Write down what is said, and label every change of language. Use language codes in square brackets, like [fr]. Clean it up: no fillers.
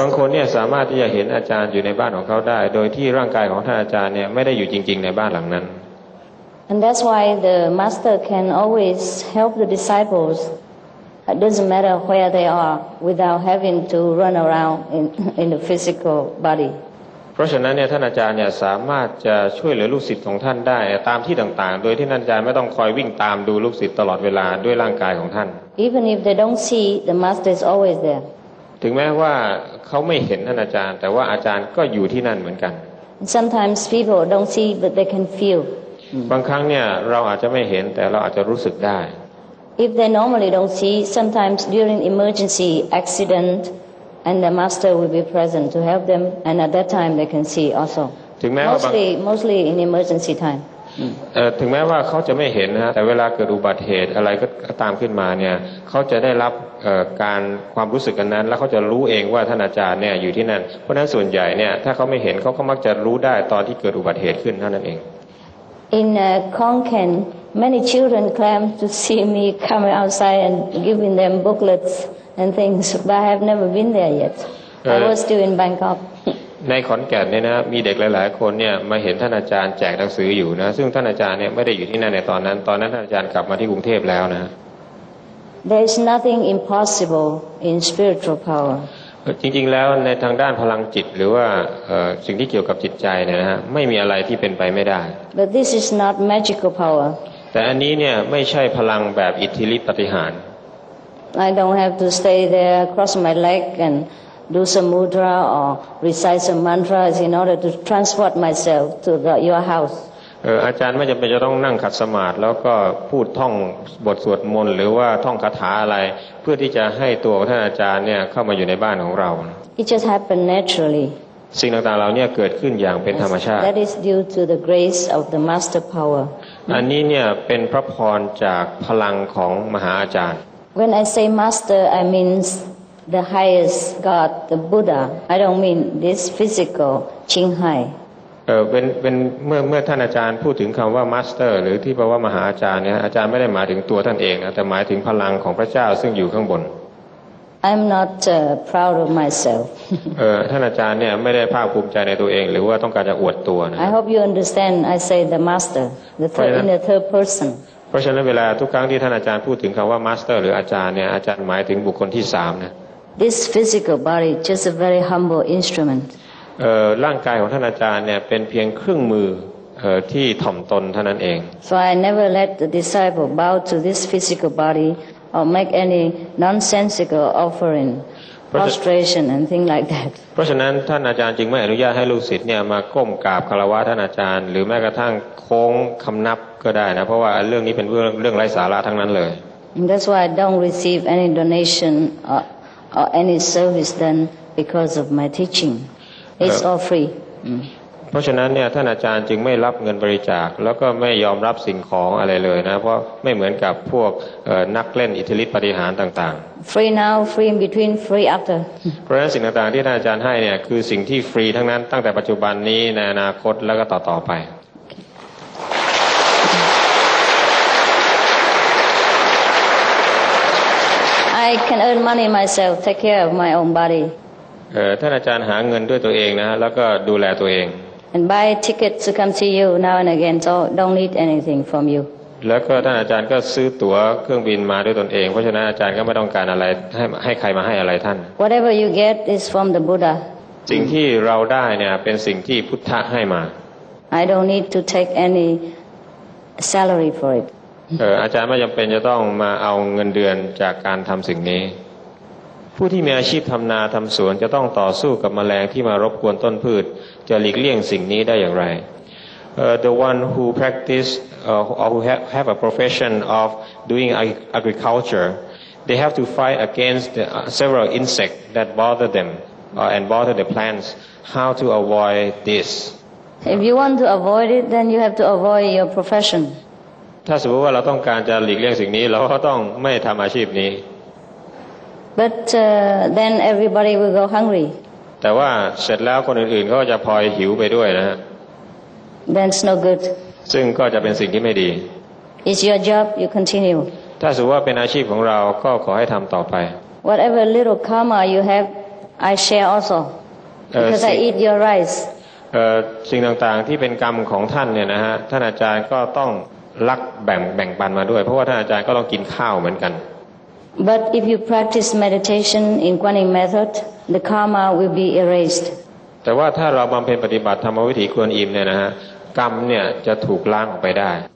[th] บางคนเนี่ยสามารถที่จะเห็นอาจารย์อยู่ในบ้านของเขาได้โดยที่ร่างกายของท่านอาจารย์เนี่ยไม่ได้อยู่จริงๆในบ้านหลังนั้น [en] And that's why the master can always help the disciples. It doesn't matter where they are without having to run around in the physical body. [th] เพราะฉะนั้นเนี่ยท่านอาจารย์เนี่ยสามารถจะช่วยเหลือลูกศิษย์ของท่านได้ตามที่ต่างๆโดยที่ท่านอาจารย์ไม่ต้องคอยวิ่งตามดูลูกศิษย์ตลอดเวลาด้วยร่างกายของท่าน [en] even if they don't see the master is always there [th] ถึงแม้ว่าเขาไม่เห็นท่านอาจารย์แต่ว่าอาจารย์ก็อยู่ที่นั่นเหมือนกัน [en] sometimes people don't see but they can feel [th] บางครั้งเนี่ยเราอาจจะไม่เห็นแต่เราอาจจะรู้สึกได้ [en] if they normally don't see sometimes during emergency accident and the master will be present to help them and at that time they can see also [th] ถึงแม้ว่า [en] mostly in emergency time [th] ถึงแม้ว่าเขาจะไม่เห็นนะแต่เวลาเกิดอุบัติเหตุอะไรก็ตามขึ้นมาเนี่ยเขาจะได้รับการความรู้สึกนั้นแล้วเขาจะรู้เองว่าท่านอาจารย์เนี่ยอยู่ที่นั่นเพราะฉะนั้นส่วนใหญ่เนี่ยถ้าเขาไม่เห็นเขาก็มักจะรู้ได้ตอนที่เกิดอุบัติเหตุขึ้นเท่านั้นเอง [en] In Konkan many children claim to see me coming outside and giving them booklets and things but I have never been there yet I was still in Bangkok [th] ในขอนแก่นเนี่ยนะมีเด็กหลายๆคนเนี่ยมาเห็นท่านอาจารย์แจกหนังสืออยู่นะซึ่งท่านอาจารย์เนี่ยไม่ได้อยู่ที่นั่นในตอนนั้นตอนนั้นท่านอาจารย์กลับมาที่กรุงเทพแล้วนะ [en] There is nothing impossible in spiritual power [th] จริงๆแล้วในทางด้านพลังจิตหรือว่าสิ่งที่เกี่ยวกับจิตใจเนี่ยนะฮะไม่มีอะไรที่เป็นไปไม่ได้ [en] But this is not magical power [th] แต่อันนี้เนี่ยไม่ใช่พลังแบบอิทธิฤทธิ์ปฏิหาร [en] I don't have to stay there cross my leg andDo some mudra or recite some mantras in order to transport myself to your house. [th] อาจารย์ไม่จำเป็นจะต้องนั่งขัดสมาธิแล้วก็พูดท่องบทสวดมนต์หรือว่าท่องคาถาอะไรเพื่อที่จะให้ตัวท่านอาจารย์เนี่ยเข้ามาอยู่ในบ้านของเรา [en] It just happened naturally. [th] สิ่งต่างๆเราเนี่ยเกิดขึ้นอย่างเป็นธรรมชาติ [en] That is due to the grace of the master power. [th] อันนี้เนี่ยเป็นพระพรจากพลังของมหาอาจารย์ [en] When I say master, I meansThe highest God, the Buddha. I don't mean this physical Qinghai. When [th] ท่านอาจารย์พูดถึงคำว่า Master หรือที่แปลว่ามหาอาจารย์เนี่ยอาจารย์ไม่ได้หมายถึงตัวท่านเองนะแต่หมายถึงพลังของพระเจ้าซึ่งอยู่ข้างบน [en] I'm not proud of myself. [th] ท่านอาจารย์เนี่ยไม่ได้ภาคภูมิใจในตัวเองหรือว่าต้องการจะอวดตัวนะ [en] I hope you understand. I say the Master, the third in the third person. [th] เพราะฉะนั้นเวลาทุกครั้งที่ท่านอาจารย์พูดถึงคำว่า Master หรืออาจารย์เนี่ยอาจารย์หมายถึงบุคคลที่สามนะ [en] This physical body is just a very humble instrument. [th] ร่างกายของท่านอาจารย์เนี่ยเป็นเพียงเครื่องมือที่ถ่อมตนเท่านั้นเอง [en] So I never let the disciple bow to this physical body or make any nonsensical offering, prostration and thing like that. [th] เพราะฉะนั้นท่านอาจารย์จึงไม่อนุญาตให้ลูกศิษย์เนี่ยมาก้มกราบคารวะท่านอาจารย์หรือแม้กระทั่งโค้งคำนับก็ได้นะเพราะว่าเรื่องนี้เป็นเรื่องไร้สาระทั้งนั้นเลย [en] And that's why I don't receive any donation or any service done because of my teaching. It's all free. [th] เพราะฉะนั้นเนี่ยท่านอาจารย์จึงไม่รับเงินบริจาคแล้วก็ไม่ยอมรับสิ่งของอะไรเลยนะเพราะไม่เหมือนกับพวกนักเล่นอิทธิฤทธิ์ปฏิหารต่าง [en] ๆ Free now, free in between, free after. [th] เพราะฉะนั้นสิ่งต่างๆที่ท่านอาจารย์ให้เนี่ยคือสิ่งที่ฟรีทั้งนั้นตั้งแต่ปัจจุบันนี้ในอนาคตแล้วก็ต่อไป [en] I can earn money myself. Take care of my own body. [th] ท่านอาจารย์หาเงินด้วยตัวเองนะฮะแล้วก็ดูแลตัวเอง [en] And buy tickets to come see you now and again. So don't need anything from you. [th] แล้วก็ท่านอาจารย์ก็ซื้อตั๋วเครื่องบินมาด้วยตนเองเพราะฉะนั้นอาจารย์ก็ไม่ต้องการอะไรให้ใครมาให้อะไรท่าน [en] Whatever you get is from the Buddha. [th] สิ่งที่เราได้เนี่ยเป็นสิ่งที่พุทธะให้มา [en] I don't need to take any salary for it. [th] อาจารย์ไม่จำเป็นจะต้องมาเอาเงินเดือนจากการทำสิ่งนี้ผู้ที่มีอาชีพทำนาทำสวนจะต้องต่อสู้กับแมลงที่มารบกวนต้นพืชจะหลีกเลี่ยงสิ่งนี้ได้อย่างไร [en] The one who practice or who have a profession of doing agriculture they have to fight against several insects that bother them and bother the plants how to avoid this If you want to avoid it then you have to avoid your profession [th] ถ้าสมมติว่าเราต้องการจะหลีกเลี่ยงสิ่งนี้เราก็ต้องไม่ทำอาชีพนี้ [en] But then everybody will go hungry [th] แต่ว่าเสร็จแล้วคนอื่นๆก็จะพลอยหิวไปด้วยนะฮะ [en] That's no good [th] ซึ่งก็จะเป็นสิ่งที่ไม่ดี [en] It's your job you continue [th] ถ้าสมมติว่าเป็นอาชีพของเราก็ขอให้ทำต่อไป [en] Whatever little karma you have I share also because I eat your rice [th] สิ่งต่างๆที่เป็นกรรมของท่านเนี่ยนะฮะท่านอาจารย์ก็ต้องรักแบ่งปันมาด้วยเพราะว่าท่านอาจารย์ก็ต้องกินข้าวเหมือนกัน [en] But if you practice meditation in Guan Yin method the karma will be erased [th] แต่ว่าถ้าเราบำเพ็ญปฏิบัติธรรมวิถีกวนอิมเนี่ยนะฮะกรรมเนี่ยจะถูกล้างออกไปได้